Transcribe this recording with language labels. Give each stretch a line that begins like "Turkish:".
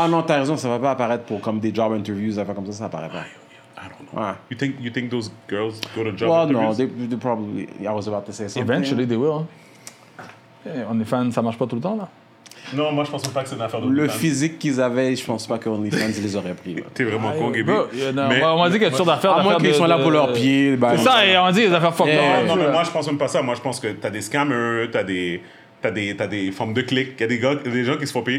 French: Non, t'as raison, ça va pas apparaître pour comme des job interviews, ça va comme ça apparaît pas.
English: I don't know.
French: Ouais.
English: You think those girls go to job interviews? Well, no, they probably. I was about to say something. Eventually, they will.
French: OnlyFans, ça marche pas tout le temps là. Non, moi je pense pas que c'est une affaire de. Le physique qu'ils avaient, je pense pas que OnlyFans les aurait pris. T'es vraiment con, Gaby. Mais on m'a dit qu'il y a toujours d'affaires. À moins qu'ils soient là pour leurs pieds. C'est ça, et on dit les affaires fuck. Non, mais moi je pense même pas ça. Moi je pense que t'as des scammers, t'as des formes de clics, y a des gens qui se font payer.